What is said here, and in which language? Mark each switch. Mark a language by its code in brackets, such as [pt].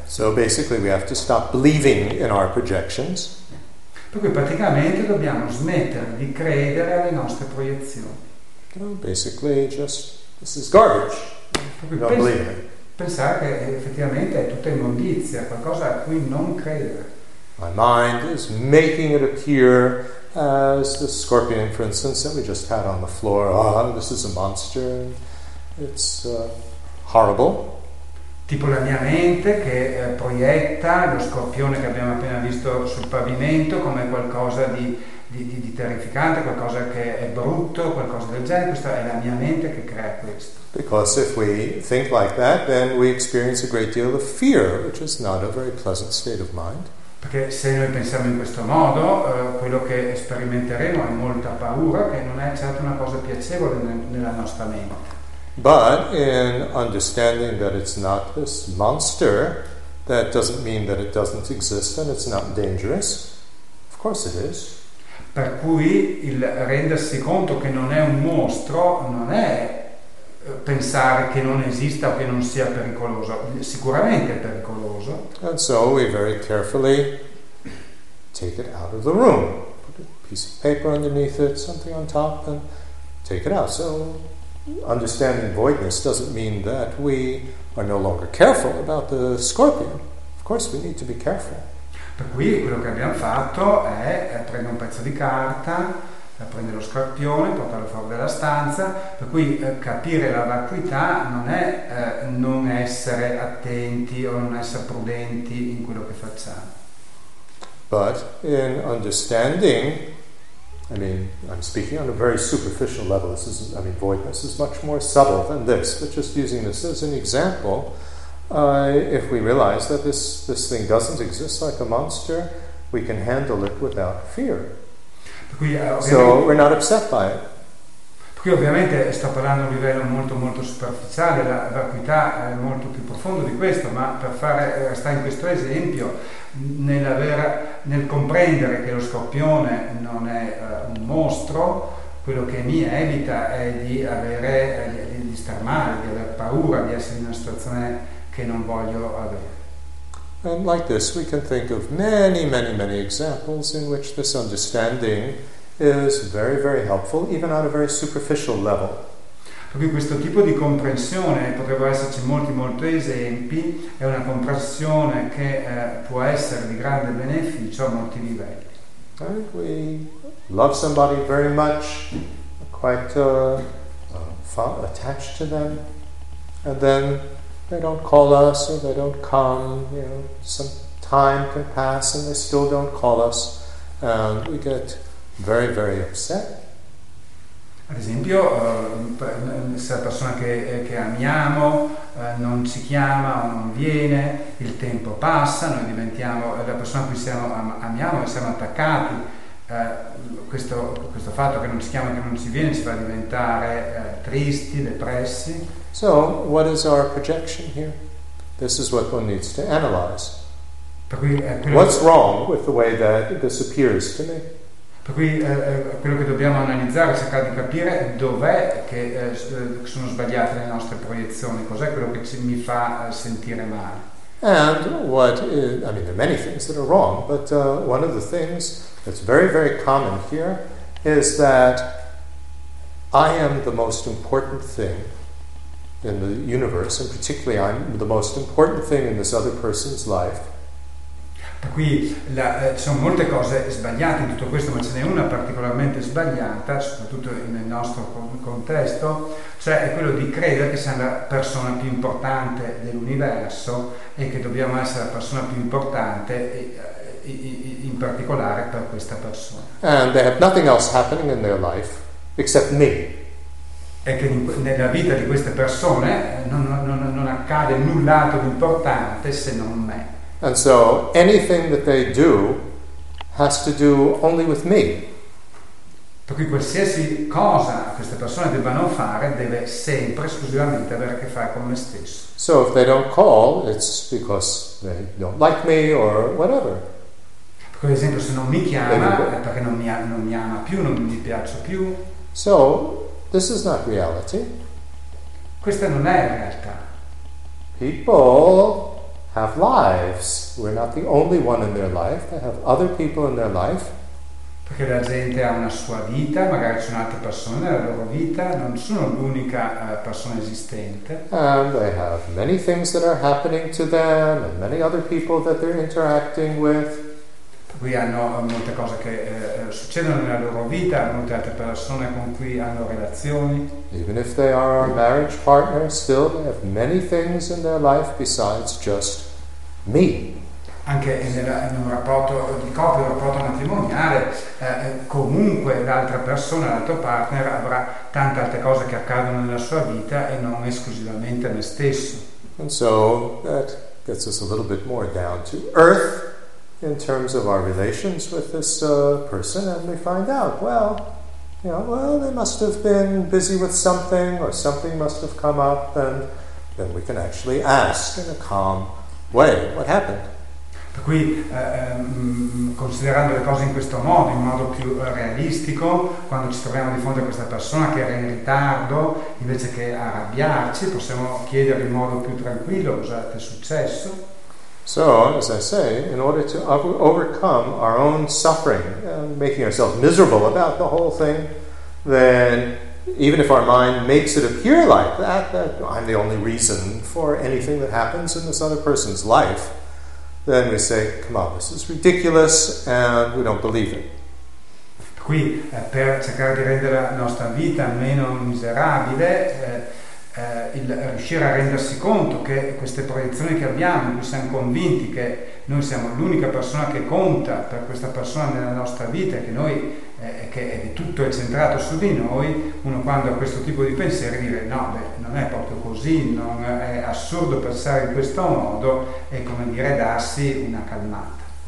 [en] So basically we have to stop believing in our projections. [it] Per cui praticamente dobbiamo smettere di credere alle nostre proiezioni. [en] No, basically just this is garbage. Don't believe it. [it] Pensare che effettivamente è tutta immondizia, qualcosa a cui non credere. [en] My mind is making it appear as the scorpion, for instance, that we just had on the floor. Oh, this is a monster. It's horrible. [it] Tipo la mia mente che proietta lo scorpione che abbiamo appena visto sul pavimento come qualcosa di terrificante, qualcosa che è brutto, qualcosa del genere. Questa è la mia mente che crea questo. [en] Because if we think like that, then we experience a great deal of fear, which is not a very pleasant state of mind. [it] Perché se noi pensiamo in questo modo, quello che sperimenteremo è molta paura, che non è certo una cosa piacevole nella nostra mente. [en] But in understanding that it's not this monster, that doesn't mean that it doesn't exist and it's not dangerous. Of course it is. [it] Per cui il rendersi conto che non è un mostro non è pensare che non esista o che non sia pericoloso. Sicuramente è pericoloso. [en] And so we very carefully take it out of the room. Put a piece of paper underneath it, something on top, and take it out. So understanding voidness doesn't mean that we are no longer careful about the scorpion. Of course we need to be careful. [it] Per cui quello che abbiamo fatto è prendere un pezzo di carta, prendere lo scorpione, portarlo fuori dalla stanza, per cui capire la vacuità non è non essere attenti o non essere prudenti in quello che facciamo. [en] But in understanding, I mean, I'm speaking on a very superficial level. This is, I mean, voidness is much more subtle than this. But just using this as an example, if we realize that this thing doesn't exist like a monster, we can handle it without fear. So we're not upset by it. [it] Qui ovviamente sto parlando a un livello molto molto superficiale, la vacuità è molto più profondo di questo, ma per fare restare in questo esempio, nel comprendere che lo scorpione non è un mostro, quello che mi evita è di star male, di aver paura, di essere in una situazione che non voglio avere. [en] And like this we can think of many, many, many examples in which this understanding is very, very helpful, even on a very superficial level. [it] Perché questo tipo di comprensione, potrebbe esserci molti, molti esempi, è una comprensione che può essere di grande beneficio a molti livelli. [en] Right? We love somebody very much, quite attached to them, and then they don't call us, or they don't come, you know, some time can pass and they still don't call us, and we get very, very upset. [it] Ad esempio, se la persona che amiamo non ci chiama o non viene, il tempo passa, noi diventiamo la persona a cui amiamo e siamo attaccati. Questo fatto che non ci chiama, che non ci viene, ci fa diventare tristi, depressi. [en] So, what is our projection here? This is what one needs to analyze. What's wrong with the way that this appears to me? [it] Per cui quello che dobbiamo analizzare, cercare di capire dov'è che sono sbagliate le nostre proiezioni, cos'è quello che mi fa sentire male. [en] And what is, I mean, there are many things that are wrong, but one of the things that's very, very common here is that I am the most important thing in the universe, and particularly I'm the most important thing in this other person's life. [it] Per cui ci sono molte cose sbagliate in tutto questo, ma ce n'è una particolarmente sbagliata, soprattutto nel nostro contesto, cioè è quello di credere che siamo la persona più importante dell'universo e che dobbiamo essere la persona più importante in particolare per questa persona. [en] And they have nothing else happening in their life except me. [it] È che nella vita di queste persone non accade null'altro di importante se non me. [en] And so anything that they do has to do only with me. [it] Per cui qualsiasi cosa queste persone debbano fare deve sempre esclusivamente avere a che fare con me stesso. [en] So if they don't call, it's because they don't like me or whatever. [it] Per esempio, se non mi chiama, [en] maybe [it] è perché non mi ama più, non mi piaccio più. [en] So this is not reality. [it] Questa non è realtà. [en] People have lives. We're not the only one in their life. They have other people in their life. [it] Perché la gente ha una sua vita, magari c'è un'altra persona nella loro vita, non sono l'unica persona esistente. [en] And they have many things that are happening to them and many other people that they're interacting with. [it] qui hanno molte cose che succedono nella loro vita, molte altre persone con cui hanno relazioni. [en] Even if they are our marriage partner, still they have many things in their life besides just me. [it] Anche in un rapporto di coppia, un rapporto matrimoniale, comunque l'altra persona, l'altro partner avrà tante altre cose che accadono nella sua vita e non esclusivamente me stesso. [en] And so that gets us a little bit more down to earth in terms of our relations with this person, and we find out, they must have been busy with something, or something must have come up, and then we can actually ask in a calm way, what happened? [it] Per cui, considerando le cose in questo modo, in modo più realistico, quando ci troviamo di fronte a questa persona che era in ritardo, invece che arrabbiarci, possiamo chiedere in modo più tranquillo cosa è successo. [en] So, as I say, in order to overcome our own suffering, making ourselves miserable about the whole thing, then even if our mind makes it appear like that, that I'm the only reason for anything that happens in this other person's life, then we say, come on, this is ridiculous, and we don't believe it. [it] Qui, per cercare di rendere la nostra vita meno miserabile, il riuscire a rendersi conto che queste proiezioni che abbiamo, noi siamo convinti che noi siamo l'unica persona che conta per questa persona nella nostra vita, che noi che tutto è centrato su di noi, uno quando ha questo tipo di pensiero dire no, beh, non è proprio così, non è assurdo pensare in questo modo, è come dire darsi una calmata.